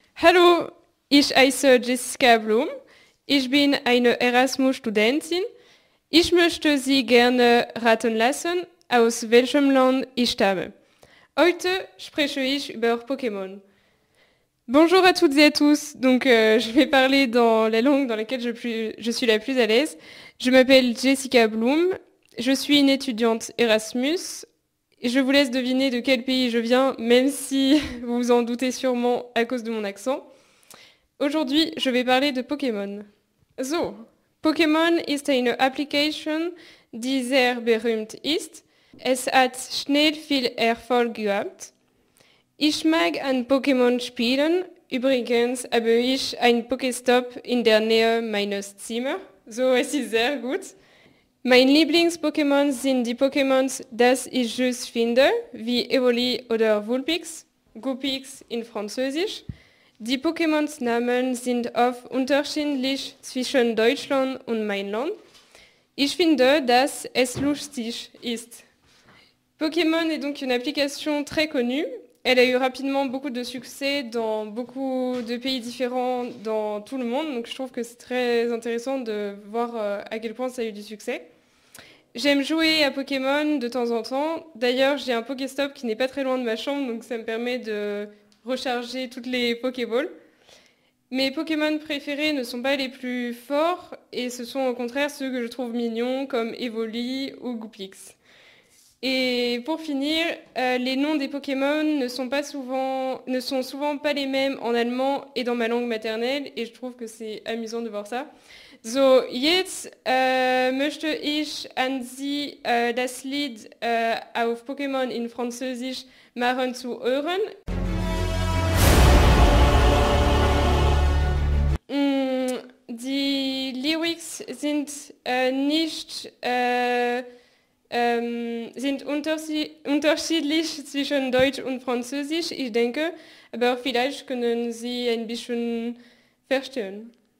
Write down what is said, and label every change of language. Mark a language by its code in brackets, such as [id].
[de] Hallo, ich heiße Jessica Blum. Ich bin eine Erasmus-Studentin. Ich möchte Sie gerne raten lassen, aus welchem Land ich stamme. Heute spreche ich über Pokémon. [fr] Bonjour à toutes et à tous. Je vais parler dans la langue dans laquelle je suis la plus à l'aise. Je m'appelle Jessica Blum. Je suis une étudiante Erasmus. Je vous laisse deviner de quel pays je viens, même si vous vous en doutez sûrement à cause de mon accent. Aujourd'hui, je vais parler de Pokémon. [de] So, Pokémon ist eine Application, die sehr berühmt ist. Es hat schnell viel Erfolg gehabt. Ich mag an Pokémon spielen. Übrigens habe ich einen Pokéstop in der Nähe meines Zimmers. So, es ist sehr gut. Mein Lieblings-Pokémon sind die Pokémon, das ich just finde, wie Evoli oder Vulpix, Goopix in Französisch. Die Pokémon-Namen sind oft unterschiedlich zwischen Deutschland und mein Land. Ich finde, dass es lustig ist. [fr] Pokémon est donc une application très connue. Elle a eu rapidement beaucoup de succès dans beaucoup de pays différents dans tout le monde. Donc je trouve que c'est très intéressant de voir à quel point ça a eu du succès. J'aime jouer à Pokémon de temps en temps. D'ailleurs, j'ai un Pokéstop qui n'est pas très loin de ma chambre, donc ça me permet de recharger toutes les Pokéballs. Mes Pokémon préférés ne sont pas les plus forts, et ce sont au contraire ceux que je trouve mignons, comme Evoli ou Goopix. Et pour finir, les noms des Pokémon ne sont souvent pas les mêmes en allemand et dans ma langue maternelle, et je trouve que c'est amusant de voir ça. [de] So, jetzt möchte ich an Sie das Lied auf Pokémon in Französisch machen zu hören. Die Lyrics sind unterschiedlich zwischen Deutsch und Französisch, ich denke, aber vielleicht können Sie ein bisschen verstehen.